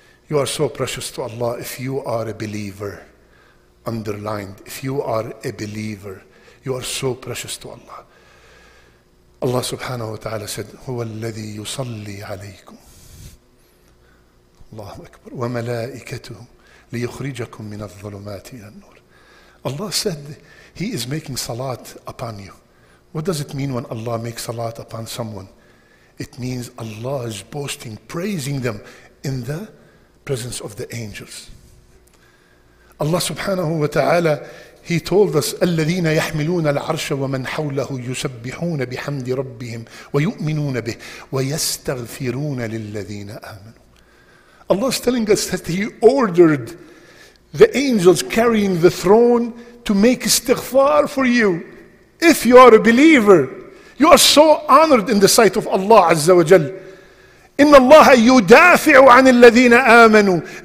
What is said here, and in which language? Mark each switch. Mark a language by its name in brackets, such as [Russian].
[English] You are so precious to Allah if you are a believer. Underlined, if you are a believer, you are so precious to Allah. Allah subhanahu wa ta'ala said, [Arabic] هو الذي يصلي عليكم. Allahu Akbar. وملائكته ليخرجكم من الظلمات إلى النور. [English] Allah said, He is making salat upon you. What does it mean when Allah makes salat upon someone? It means Allah is boasting, praising them in the presence of the angels. Allah subhanahu wa ta'ala, He told us, [Arabic] الَّذِينَ يَحْمِلُونَ الْعَرْشَ وَمَنْ حَوْلَهُ يُسَبِّحُونَ بِحَمْدِ رَبِّهِمْ وَيُؤْمِنُونَ بِهِ وَيَسْتَغْفِرُونَ لِلَّذِينَ آمَنُوا. [English] Allah is telling us that He ordered the angels carrying the throne to make istighfar for you. If you are a believer, you are so honored in the sight of Allah Azza wa Jal. [Arabic] إِنَّ اللَّهَ يُدَافِعُ عَنِ الَّذِينَ آمَنُوا.